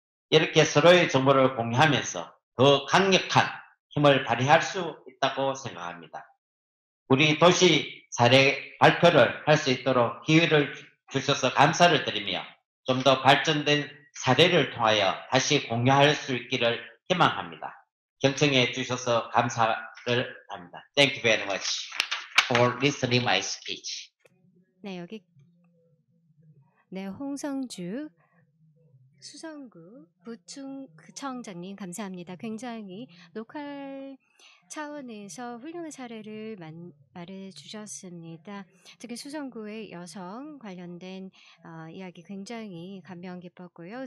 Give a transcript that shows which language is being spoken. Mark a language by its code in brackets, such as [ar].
[ko] 이렇게 서로의 정보를 공유하면서 더 강력한 힘을 발휘할 수 있다고 생각합니다. 우리 도시 사례 발표를 할 수 있도록 기회를 주셔서 감사를 드리며 좀 더 발전된 사례를 통하여 다시 공유할 수 있기를 희망합니다. 경청해 주셔서 감사를 합니다. [en] Thank you very much for listening my speech. [ko] 네, 여기 네, 홍성주 수성구 구청장님 감사합니다. 굉장히 로컬 차원에서 훌륭한 사례를 말해주셨습니다. 특히 수성구의 여성 관련된 이야기 굉장히 감명 깊었고요.